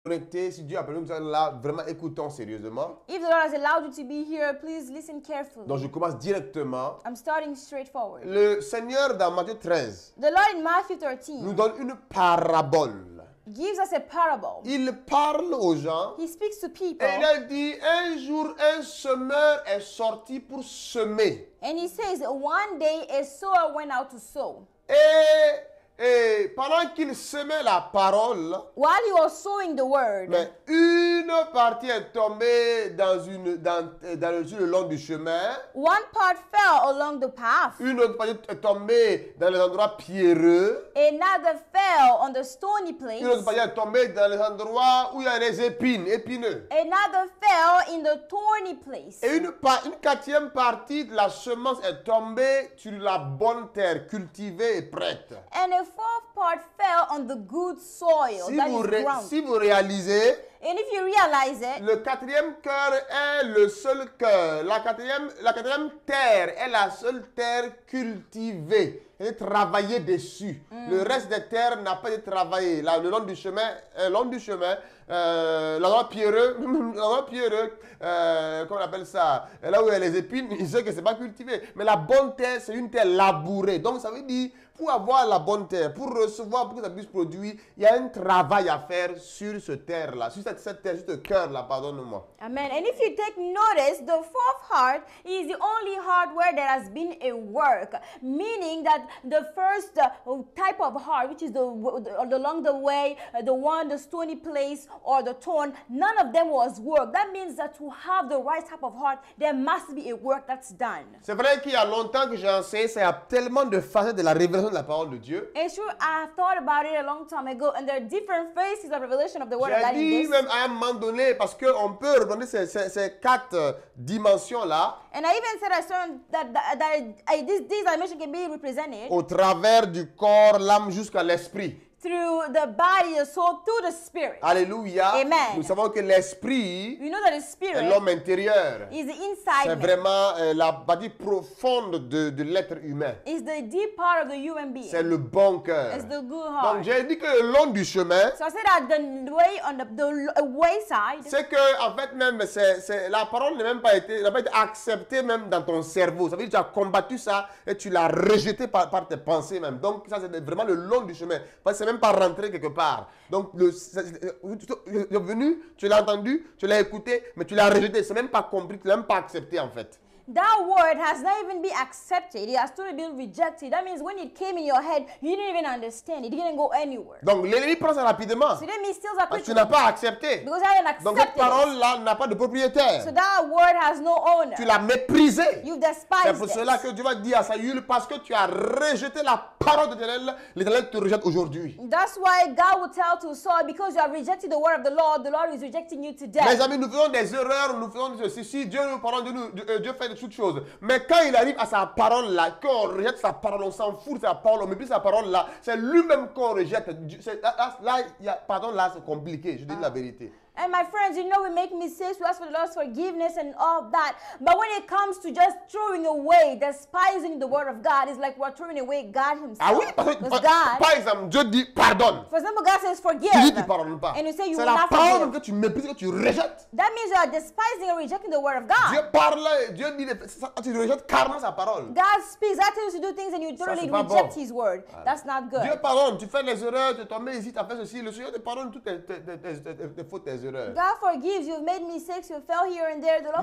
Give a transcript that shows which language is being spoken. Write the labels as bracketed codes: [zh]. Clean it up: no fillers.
[fr] connecté, si Dieu a permis ça, là, vraiment écoutons sérieusement. [en] If the Lord has allowed you to be here, please listen carefully. [fr] Donc je commence directement. [en] I'm starting straightforward. [fr] Le Seigneur dans Matthieu 13. [en] The Lord in Matthew 13. [fr] Nous donne une parabole. [en] Gives us a parable. [fr] Il parle aux gens. [en] He speaks to people. [fr] Et il a dit, un jour, un semeur est sorti pour semer. [en] And he says, one day a sower went out to sow. [fr] Et pendant qu'il semait la parole, [en] while he was sowing the word, [fr] mais une partie est tombée dans le sol le long du chemin. [en] One part fell along the path. [fr] Une autre partie est tombée dans les endroits pierreux. [en] Another fell on the stony place. [fr] Une autre partie est tombée dans les endroits où il y a des épines, épineux. [en] Another fell in the thorny place. [fr] Et une quatrième partie de la semence est tombée sur la bonne terre, cultivée et prête. [en] And the fourth part fell on the good soil, [fr] si [en] that [fr] vous [en] is ground. [fr] Si vous réalisez, [en] and if you realize it, [fr] le quatrième cœur est le seul cœur. La quatrième terre est la seule terre cultivée. Elle est travaillée dessus. Mm. Le reste des terres n'a pas été travaillé. Là, le long du chemin, là où il y a les épines, il sait que c'est pas cultivé. Mais la bonne terre, c'est une terre labourée. Donc, ça veut dire, pour avoir la bonne terre, pour recevoir, pour que ça puisse produire, il y a un travail à faire sur cette terre-là, sur cette terre, sur ce cœur-là, pardonne-moi. Amen. [en] And if you take notice, the fourth heart is the only heart where there has been a work, meaning that the first type of heart, which is the along the way, the one, the stony place, or the torn, none of them was work. That means that to have the right type of heart, there must be a work that's done. [fr] C'est vrai qu'il y a longtemps que j'ai enseigné, ça y a tellement de facettes de la révélation de la parole de Dieu. [en] It's true, I've thought about it a long time ago, and there are different phases of revelation of the word. [fr] J'ai dit même à un moment donné, parce qu'on peut reprendre ces quatre dimensions-là. [en] And I even said that this dimension can be represented [fr] au travers du corps, l'âme jusqu'à l'esprit. [en] Through the body, the soul, through the spirit. [fr] Alléluia. Amen. Nous savons que l'esprit, [en] you know that the spirit, [fr] est l'homme intérieur. [en] Is the inside. [fr] C'est vraiment la partie profonde de l'être humain. [en] Is the deep part of the human being. [fr] C'est le bon cœur. [en] It's the good heart. [fr] Donc j'ai dit que le long du chemin, [en] so I said that the way on the wayside, [fr] c'est que en fait même c'est la parole n'a même pas été acceptée même dans ton cerveau. Ça veut dire que tu as combattu ça et tu l'as rejeté par tes pensées même. Donc ça c'est vraiment le long du chemin. Parce c'est même pas rentré quelque part. Donc, tu es venu, tu l'as entendu, tu l'as écouté, mais tu l'as rejeté. C'est même pas compris, tu l'as même pas accepté en fait. [en] That word has not even been accepted. It has truly been rejected. That means when it came in your head, you didn't even understand. It didn't go anywhere. [fr] Donc l'ennemi prend ça rapidement. [en] So then he steals a quick. [fr] Parce que tu n'as pas accepté. [en] Because I haven't accepted. [fr] Donc cette parole là n'a pas de propriétaire. [en] So that word has no owner. [fr] Tu l'as méprisé. [en] You've despised it. [fr] C'est pour cela que Dieu va dire à Saül, parce que tu as rejeté la parole de l'Éternel, l'Éternel te rejette aujourd'hui. [en] That's why God will tell to Saul, because you have rejected the word of the Lord is rejecting you today. [fr] Mes amis, nous faisons des erreurs, nous faisons des ceci. Si Dieu nous parle de nous, Dieu fait toute chose. Mais quand il arrive à sa parole là, qu'on rejette sa parole, on s'en fout de sa parole, on méprise sa parole là, c'est lui-même qu'on rejette. Là, c'est compliqué, je dis la vérité. [en] And my friends, you know, we make mistakes, we ask for the Lord's forgiveness and all that. But when it comes to just throwing away, despising the word of God, it's like we're throwing away God himself. [fr] Ah oui, parce God, par exemple, Dieu dit pardon. [en] For example, God says forgive. [fr] Tu dis tu pardonnes pas. [en] And you say you [fr] c'est [en] will not forgive. [fr] C'est la parole que tu méprises, que tu rejettes. [en] That means you are despising and rejecting the word of God. [fr] Dieu parle, Dieu dit, tu rejettes carrément sa parole. [en] God speaks, that tells you to do things and you totally [fr] ça, [en] reject [fr] bon. [en] His word. Ah. That's not good. [fr] Dieu pardonne, tu fais les erreurs, tu tombes ici, tu as fait ceci. Le Seigneur te pardonne toutes tes fautes, tes erreurs. [en] God forgives, you've made mistakes, you fell here and there, the Lord